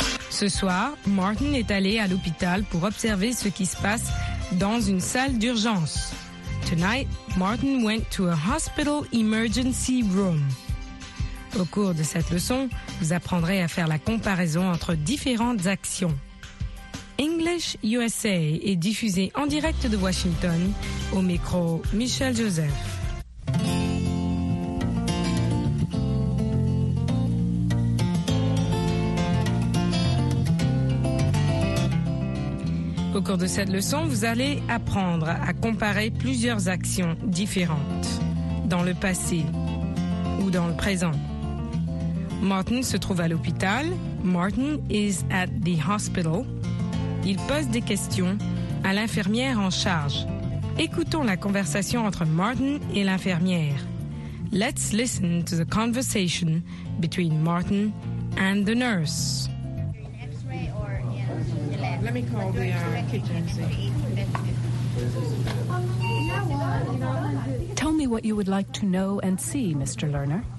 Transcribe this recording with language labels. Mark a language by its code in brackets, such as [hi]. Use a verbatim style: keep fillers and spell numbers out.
[fr] Ce soir, Martin est allé à l'hôpital pour observer ce qui se passe dans une salle d'urgence. [en] Tonight, Martin went to a hospital emergency room. [fr] Au cours de cette leçon, vous apprendrez à faire la comparaison entre différentes actions. English U S A est diffusé en direct de Washington, au micro Michel Joseph. Au cours de cette leçon, vous allez apprendre à comparer plusieurs actions différentes, dans le passé ou dans le présent. Martin se trouve à l'hôpital. [en] Martin is at the hospital. [fr] Il pose des questions à l'infirmière en charge. Écoutons la conversation entre Martin et l'infirmière. [en] Let's listen to the conversation between Martin and the nurse. Let me call the uh, kitchen. See. Tell me what you would like to know and see, Mister Lerner.